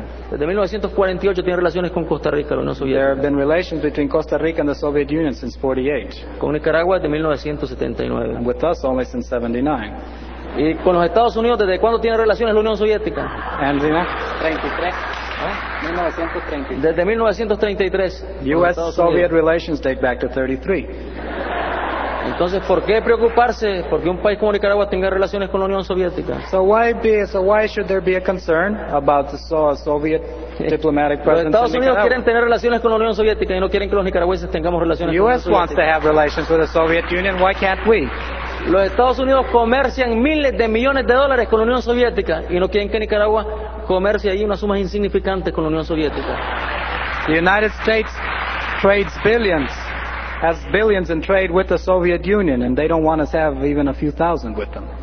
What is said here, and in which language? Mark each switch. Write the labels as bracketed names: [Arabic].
[Spanish] Desde 1948 tiene relaciones con Costa Rica, la Unión Soviética. [English] There have been relations between Costa Rica and the Soviet Union since 48. [Spanish] Con Nicaragua desde 1979. [English] And with us only since 79. [Spanish] Y con los Estados Unidos, ¿desde cuándo tiene relaciones la Unión Soviética? [English] And [Spanish] 1933. Desde 1933. [English] US-Soviet relations date back to 33. [Spanish] Entonces, ¿por qué preocuparse porque un país como Nicaragua tenga relaciones con la Unión Soviética? [English] So why should there be a concern about the Soviet diplomatic presence? [Spanish] Los Estados Unidos quieren tener relaciones con la Unión Soviética y no quieren que los nicaragüenses tengamos relaciones con la Unión Soviética. [English] The US wants to have relations with the Soviet Union, why can't we? [Spanish] Los Estados Unidos comercian miles de millones de dólares con la Unión Soviética y no quieren que Nicaragua comercie ahí unas sumas insignificantes con la Unión Soviética. [English] The United States trades billions, has billions in trade with the Soviet Union, and they don't want us to have even a few thousand with them.